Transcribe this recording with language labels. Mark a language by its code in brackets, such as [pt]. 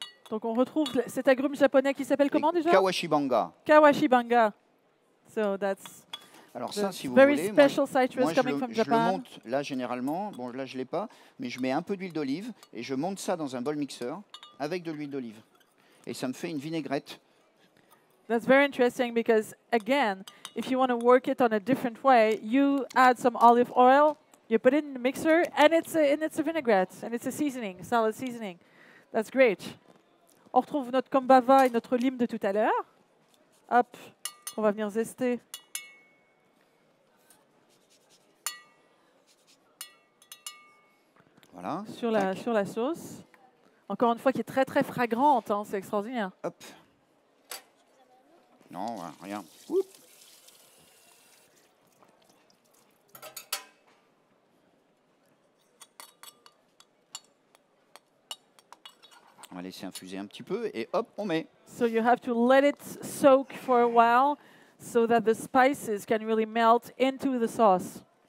[fr] Donc, on retrouve cet agrume japonais qui s'appelle comment déjà? Kawashibanga. [en] Kawashibanga. So that's... [fr] Alors ça, si vous [en] very [fr] voulez, [en] special citrus coming from Japan. [fr] Je le monte là généralement. Bon, là je l'ai pas, mais je mets un peu d'huile d'olive et je monte ça dans un bol mixeur avec de l'huile d'olive. Et ça me fait une vinaigrette. [en] That's very interesting because again, if you want to work it on a different way, you add some olive oil, you put it in the mixer and it's a vinaigrette and it's a seasoning, salad seasoning. That's great. [fr] On retrouve notre kombava et notre lime de tout à l'heure. Hop, on va venir zester. Voilà. Sur la sauce. Encore une fois, qui est très, très fragrante. Hein, c'est extraordinaire. Hop. Non, rien. Oup. On va laisser infuser un petit peu et hop, on met. [en] So you have to let it soak for a while so that the spices can really melt into the sauce.